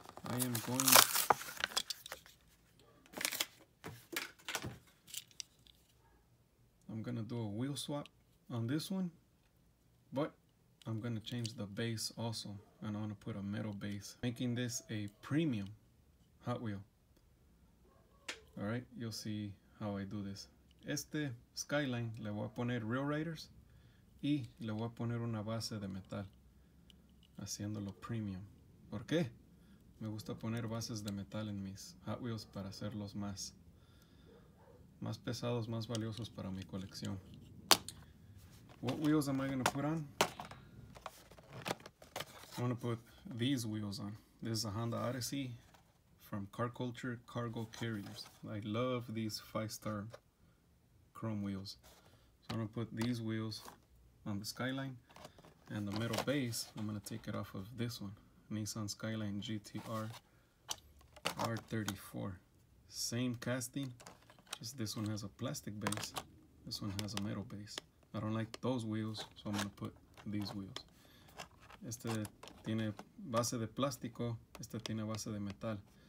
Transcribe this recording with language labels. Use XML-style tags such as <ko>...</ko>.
<en>I'm gonna do a wheel swap on this one, but I'm gonna change the base also. And I want to put a metal base, making this a premium Hot Wheel. Alright, you'll see how I do this.</en> <es>Este Skyline le voy a poner Rail Riders y le voy a poner una base de metal, haciéndolo premium. ¿Por qué? Me gusta poner bases de metal en mis Hot Wheels para hacerlos más pesados, más valiosos para mi colección.</es> <en>What wheels am I going to put on? I'm gonna put these wheels on. This is a Honda Odyssey from Car Culture Cargo Carriers. I love these 5-star chrome wheels. So I'm gonna put these wheels on the Skyline, and the metal base, I'm gonna take it off of this one. Nissan Skyline GTR R34. Same casting, just this one has a plastic base. This one has a metal base. I don't like those wheels, so I'm gonna put these wheels.</en> <es>Este tiene base de plástico, este tiene base de metal.</es>